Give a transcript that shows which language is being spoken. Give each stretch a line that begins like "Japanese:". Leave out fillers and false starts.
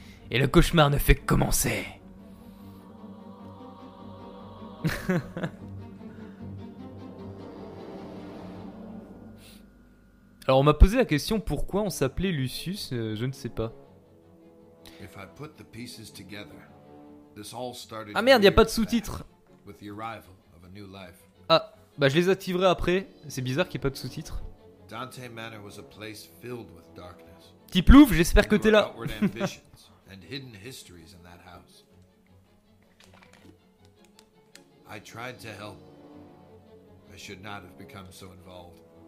French: et le cauchemar ne fait que commencer. Alors on m'a posé la question pourquoi on s'appelait Lucius, je ne sais pas.
English: If I put the pieces together, this all started.
French: Ah merde, il n'y a pas de sous-titres.
English: With the arrival of a new life.
French: Ah, bah je les activerai après. C'est bizarre qu'il n'y ait pas de sous-titres.
English: Dante Manor was a place filled with darkness.
French: Petit plouf, j'espère que t'es là.
English: And hidden histories in that house. I tried to help. I should not have become so involved.